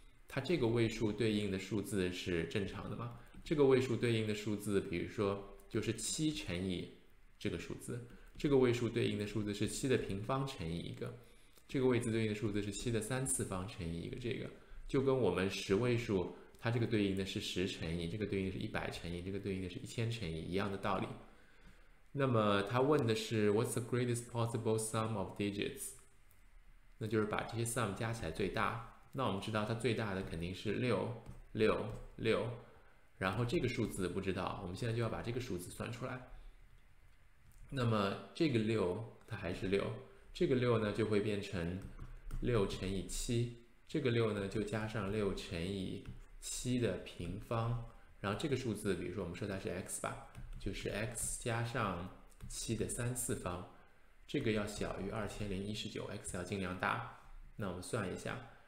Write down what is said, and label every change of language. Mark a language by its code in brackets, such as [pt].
[zh] 它这个位数对应的数字是正常的吗？这个位数对应的数字，比如说就是7×这个数字，这个位数对应的数字是7的平方×1个，这个位置对应的数字是7的3次方×1个，这个就跟我们十位数，它这个对应的是10×1，这个对应的是100×1，这个对应的是1000×1一样的道理。那么他问的是 [en] What's the greatest possible sum of digits？ [zh] 那就是把这些 sum 加起来最大。那我们知道它最大的肯定是六六六，然后这个数字不知道，我们现在就要把这个数字算出来。那么这个六它还是六，这个六呢就会变成6×7，这个六呢就加上6×7的平方，然后这个数字比如说我们说它是 x 吧，就是 x 加上7的3次方，这个要小于2019，x 要尽量大。那我们算一下。